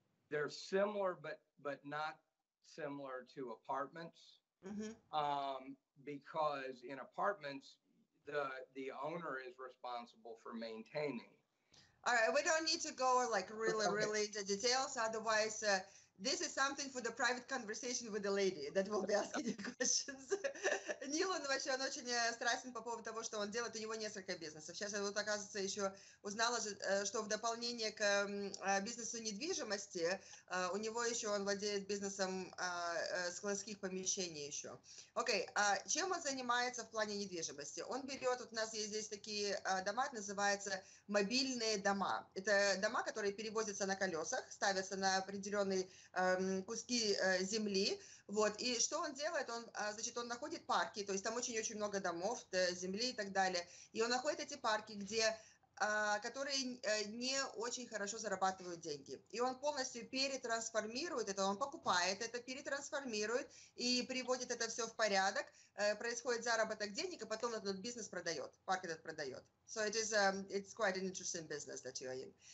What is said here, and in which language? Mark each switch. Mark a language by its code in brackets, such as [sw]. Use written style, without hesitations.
[en] They're similar, but not similar to apartments, because in apartments, the owner is responsible for maintaining. All right, we don't need to go like really, really into details. Otherwise, this is something for the private conversation with the lady that will be asking you questions. [ru] Нил, он вообще, он очень страстен по поводу того, что он делает. У него несколько бизнесов. Сейчас я вот, оказывается, еще узнала, что в дополнение к бизнесу недвижимости, у него еще он владеет бизнесом складских помещений еще. Окей, а чем он занимается в плане недвижимости? Он берет, вот у нас есть здесь такие дома, называются мобильные дома. Это дома, которые перевозятся на колесах, ставятся на определенные куски земли. Вот, и что он делает? Он, значит, он находит парк. То есть там очень-очень много домов, земли и так далее. И он находит эти парки, где, которые не очень хорошо зарабатывают деньги. И он полностью перетрансформирует это, он покупает это, перетрансформирует и приводит это все в порядок. Происходит заработок денег, и потом этот бизнес продает, парк этот продает. [en] So it is it's quite an interesting business that you are in.